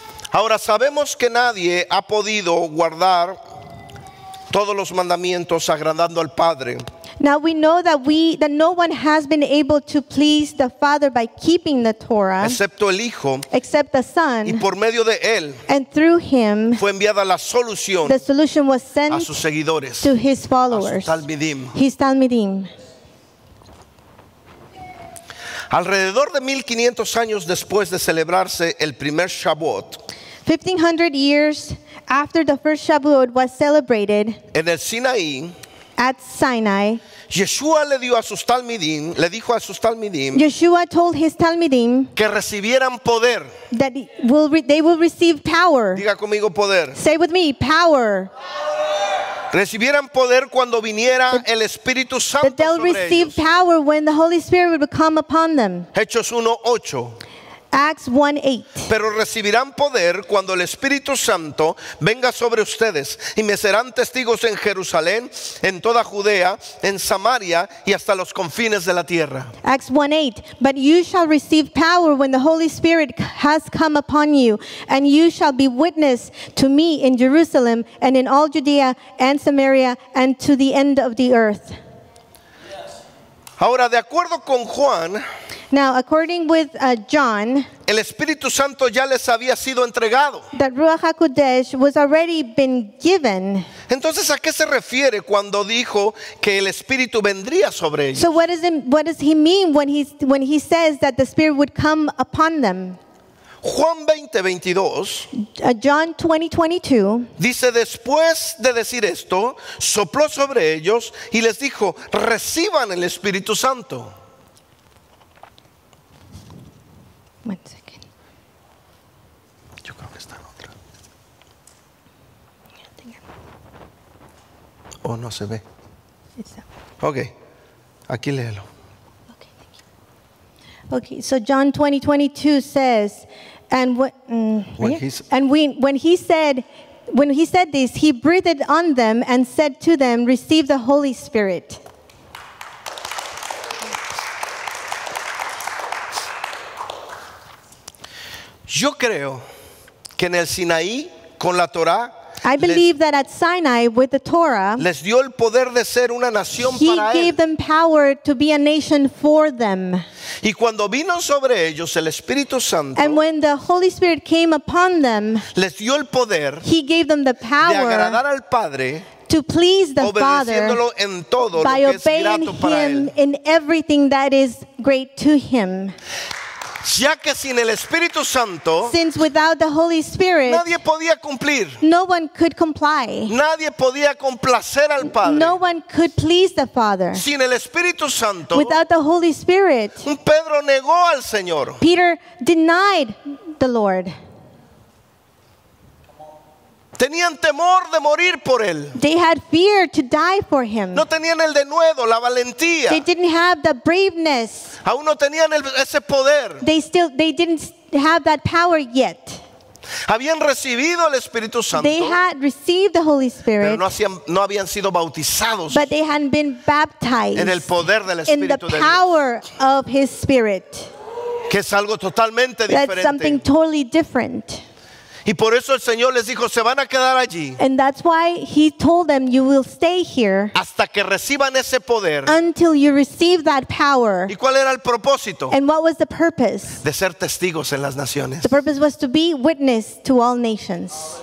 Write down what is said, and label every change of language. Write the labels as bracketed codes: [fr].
[es] Ahora sabemos que nadie ha podido guardar todos los mandamientos agradando al Padre. [en] Now we know that that no one has been able to please the Father by keeping the Torah. [es] Excepto el Hijo. [en] Except the Son. [es] Y por medio de él. [en] And through him. [es] Fue enviada la solución. [en] The solution was sent. [es] A sus seguidores. [en] To his followers. [es] A sus talmidim. [en] His talmidim. [es] Alrededor de 1500 años después de celebrarse el primer Shabbat. [en] 1500 years after the first Shavuot was celebrated [es] en el Sinaí, [en] at Sinai, [es] Yeshua le dio a sus talmidim, le dijo a sus talmidim, [en] Yeshua told his talmidim [es] que recibieran poder, [en] that they will receive power. [es] Diga conmigo poder. [en] Say with me, power. [es] Recibieran poder cuando viniera el Espíritu Santo [en] that they'll [es] sobre [en] receive Power when the Holy Spirit would come upon them. [es] Hechos 1:8. [en] Acts 1:8. [es] Pero recibirán poder cuando el Espíritu Santo venga sobre ustedes y me serán testigos en Jerusalén, en toda Judea, en Samaria y hasta los confines de la tierra. [en] Acts 1:8. But you shall receive power when the Holy Spirit has come upon you, and you shall be witness to me in Jerusalem and in all Judea and Samaria and to the end of the earth. [es] Ahora, de acuerdo con Juan, [en] now, according with John, [es] el Espíritu Santo ya les había sido entregado. [en] That Ruach HaKodesh was already been given. [es] Entonces, ¿a qué se refiere cuando dijo que el Espíritu vendría sobre ellos? [en] So what does he mean when he says that the Spirit would come upon them? [es] Juan 20:22 [en] John 20:22 [es] dice, después de decir esto, sopló sobre ellos y les dijo, reciban el Espíritu Santo. [en] One second. [es] Yo creo que está en otra. Oh, no se ve. Okay. Aquí léelo. [en] Okay, thank you. Okay, so John 20:22 says, when he said this, he breathed on them and said to them, "Receive the Holy Spirit." [es] Yo creo que en el Sinaí con la Torá, [en] I believe that at Sinai with the Torah, [es] les dio el poder de ser una nación para él. [en] He gave them power to be a nation for them. [es] Y cuando vino sobre ellos el Espíritu Santo, [en] and when the Holy Spirit came upon them, [es] les dio el poder, [en] he gave them the power, [es] de agradar al Padre, [en] to please the Father, [es] en todo [en] by [es] lo que [en] obeying [es] es [en] him [es] para él, [en] in everything that is great to him. [es] Ya que sin el Espíritu Santo, [en] since without the Holy Spirit, [es] nadie podía cumplir, [en] no one could comply, [es] nadie podía complacer al Padre, [en] no one could please the Father. [es] Sin el Espíritu Santo, [en] without the Holy Spirit, [es] Pedro negó al Señor. [en] Peter denied the Lord. [es] Tenían temor de morir por él. [en] They had fear to die for him. [es] No tenían el denuedo, la valentía. [en] They didn't have the braveness. [es] Aún no tenían ese poder. [en] They didn't have that power yet. [es] Habían recibido el Espíritu Santo. [en] They had received the Holy Spirit. [es] Pero no habían sido bautizados. [en] But they hadn't been baptized. [es] En el poder del Espíritu de Dios. [en] In the power of his Spirit. [es] Que es algo totalmente diferente. [en] That's something totally different. [es] Y por eso el Señor les dijo, se van a quedar allí. [en] And that's why he told them, you will stay here. [es] Hasta que reciban ese poder. [en] Until you receive that power. [es] ¿Y cuál era el propósito? [en] And what was the purpose? [es] De ser testigos en las naciones. [en] The purpose was to be witness to all nations.